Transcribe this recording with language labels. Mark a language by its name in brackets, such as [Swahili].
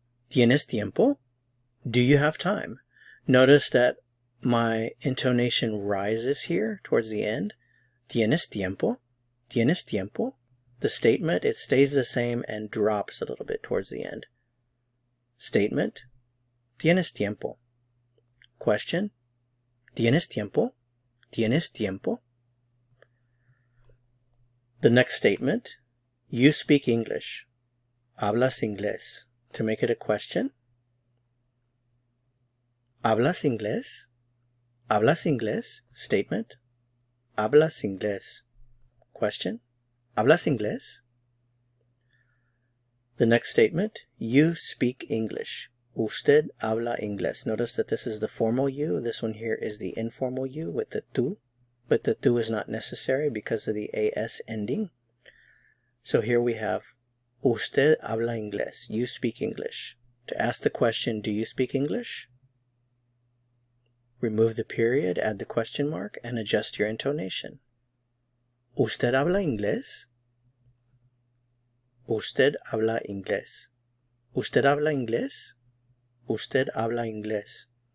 [Spanish] Tienes tiempo, [English] do you have time? Notice that my intonation rises here towards the end. [Spanish] Tienes tiempo. Tienes tiempo? [English] The statement, it stays the same and drops a little bit towards the end. [Spanish] Statement, tienes tiempo. Question, tienes tiempo? Tienes tiempo? [English] The next statement, you speak English. [Spanish] Hablas inglés. [English] To make it a question, [Spanish] hablas inglés? Hablas inglés? Statement, hablas inglés. Question, hablas inglés? [English] The next statement, you speak English. [Spanish] Usted habla inglés. [English] Notice that this is the formal you. This one here is the informal you with the tú, but the tú is not necessary because of the AS ending. So here we have, [Spanish] usted habla inglés. [English] You speak English. To ask the question, do you speak English? Remove the period, add the question mark, and adjust your intonation. [Spanish] ¿Usted habla inglés? ¿Usted habla inglés? ¿Usted habla inglés? ¿Usted habla inglés?